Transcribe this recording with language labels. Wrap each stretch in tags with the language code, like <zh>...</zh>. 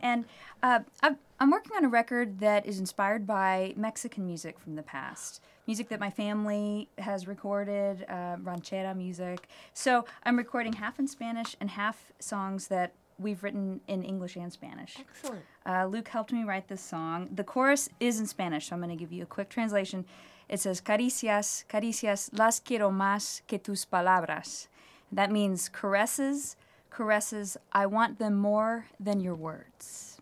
<en>And I'm working on a record that is inspired by Mexican music from the past. Music that my family has recorded, ranchera music. So I'm recording half in Spanish and half songs that we've written in English and Spanish. Excellent. Luke helped me write this song. The chorus is in Spanish, so I'm going to give you a quick translation. It says,</en> <es>caricias, caricias, las quiero más que tus palabras.</es> <en>That means caresses, caresses, I want them more than your words.</en>